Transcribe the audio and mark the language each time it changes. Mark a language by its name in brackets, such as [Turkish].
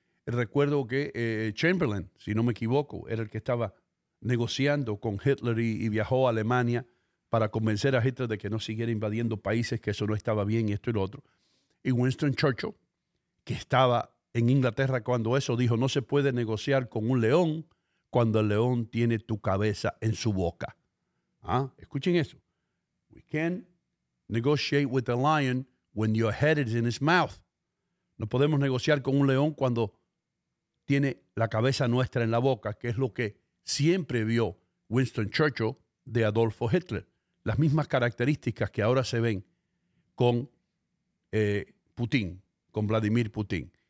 [Spanish] Recuerdo que Chamberlain, si no me equivoco, era el que estaba negociando con Hitler y viajó a Alemania para convencer a Hitler de que no siguiera invadiendo países, que eso no estaba bien, y esto y lo otro. Y Winston Churchill, que estaba en Inglaterra cuando eso, dijo: no se puede negociar con un león cuando el león tiene tu cabeza en su boca. ¿Ah? Escuchen eso. [English] We can negotiate with a lion when your head is in his mouth. [Spanish] No podemos negociar con un león cuando tiene la cabeza nuestra en la boca, que es lo que siempre vio Winston Churchill de Adolfo Hitler. Las mismas características que ahora se ven con Putin, con Vladimir Putin.